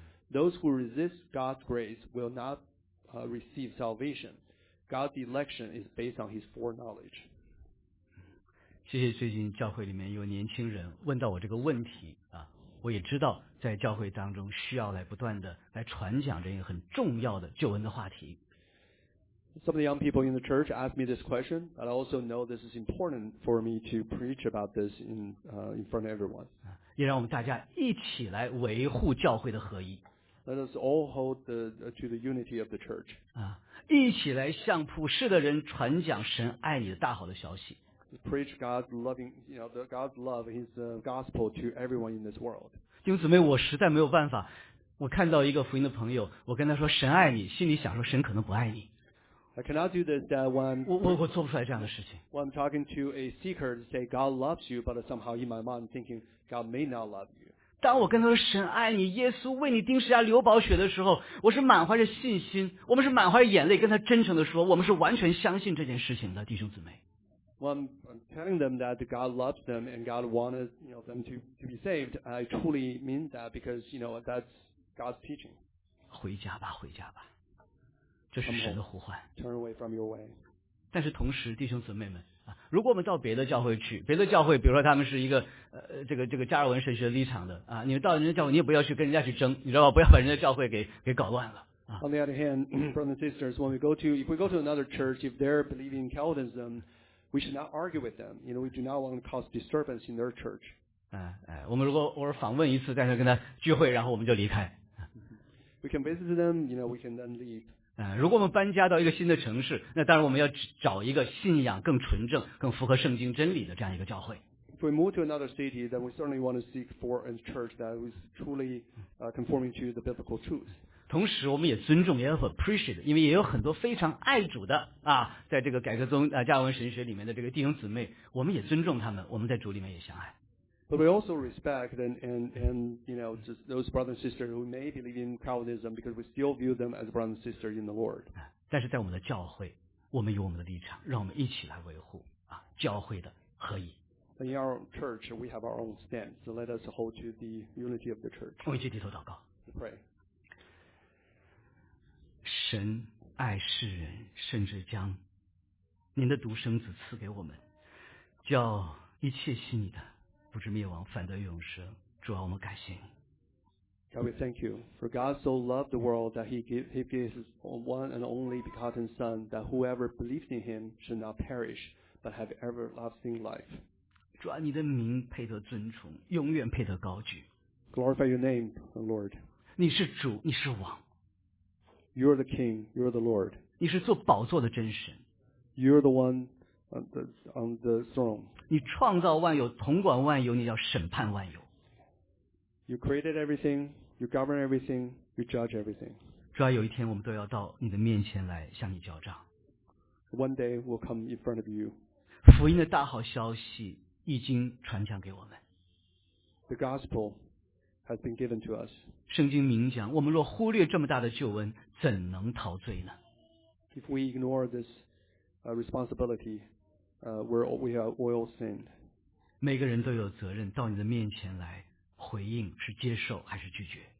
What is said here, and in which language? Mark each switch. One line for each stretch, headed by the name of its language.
English: Those who resist God's grace will not receive salvation. God's election is based on his foreknowledge.
Chinese: 谢谢最近教会里面有年轻人问到我这个问题我也知道在教会当中需要来不断的来传讲这一个很重要的救恩的话题。
English: some of the young people in the church asked me this question, but I also know this is important for me to preach about this in front of everyone.
Chinese: 也让我们大家一起来维护教会的合一。
English: Let us all hold to the unity of the church.
Chinese: 一起来向普世的人传讲神爱你的大好的消息。
English: Preach God's loving, you know, God's love, His gospel to everyone in this world.
Chinese: 弟兄姊妹，我实在没有办法。我看到一个福音的朋友，我跟他说神爱你，心里想说神可能不爱你。
English: I cannot do this that when
Chinese: 我做不出来这样的事情。
English: When I'm talking to a seeker to say God loves you, but somehow in my mind thinking God may not love you.
Chinese: 当我跟他说神爱你，耶稣为你钉十字架流宝血的时候，我是满怀着信心，我们是满怀着眼泪跟他真诚的说，我们是完全相信这件事情的，弟兄姊妹。
English: When I'm telling them that God loves them and God wanted, you know, them to be saved, I truly mean that because, you know, that's God's teaching.
Chinese: 回家吧，回家吧。这是神的呼唤。
English: Turn away from your way.
Chinese: 但是同时，弟兄姊妹们，如果我们到别的教会去，别的教会，比如说他们是一个这个加尔文神学立场的啊，你们到人家教会，你也不要去跟人家去争，你知道吧？不要把人家教会给搞乱了。
English: On the other hand, brothers and sisters, when we go to if we go to another church, if they're believing Calvinism, we should not argue with them. You know, we do not want to cause disturbance in their church.
Chinese: 我们如果偶尔访问一次，但是跟他聚会，然后我们就离开。
English: We can visit them, you know, we can then leave.
Chinese: 如果我们搬家到一个新的城市，那当然我们要找一个信仰更纯正、更符合圣经真理的这样一个教会。
English: If we move to another city, then we certainly want to seek for a church that is truly conforming to the biblical truth.
Chinese: 同时，我们也尊重，也很 appreciate， 因为也有很多非常爱主的啊，在这个改革宗加尔文神学里面的这个弟兄姊妹，我们也尊重他们，我们在主里面也相爱。
English: But we also respect and you know just those brothers and sisters who may believe in Calvinism because we still view them as brothers and sisters in the Lord.
Chinese: 但是在我们的教会，我们有我们的立场，让我们一起来维护啊教会的合一。
English: In our church, we have our own stance, so let us hold to the unity of the church.
Chinese: 我们一起低头祷告。
English: Pray.
Chinese: 神爱世人，甚至将您的独生子赐给我们，叫一切信你的。不至灭亡，反得永生。主啊，我们感谢你。
English: God, we thank you. For God so loved the world that he gave his one and only begotten Son, that whoever believes in him should not perish, but have everlasting life.
Chinese: 主啊，你的名配得尊崇，永远配得高举。
English: Glorify your name, the Lord.
Chinese: 你是主，你是王。
English: You are the King. You are the Lord.
Chinese: 你是坐宝座的真神。
English: You are the one. On the throne.
Chinese: 你创造万有，统管万有，你要审判万有。
English: You created everything, you govern everything, you judge everything.
Chinese: 主要有一天我们都要到你的面前来向你交账。
English: One day we'll come in front of you.
Chinese: 福音的大好消息已经传讲给我们。
English: The gospel has been given to us.
Chinese: 圣经明讲，我们若忽略这么大的救恩，怎能陶醉呢？
English: If we ignore this responsibility,where we have oil sinned.
Chinese: 每个人都有责任到你的面前来回应，是接受还是拒绝。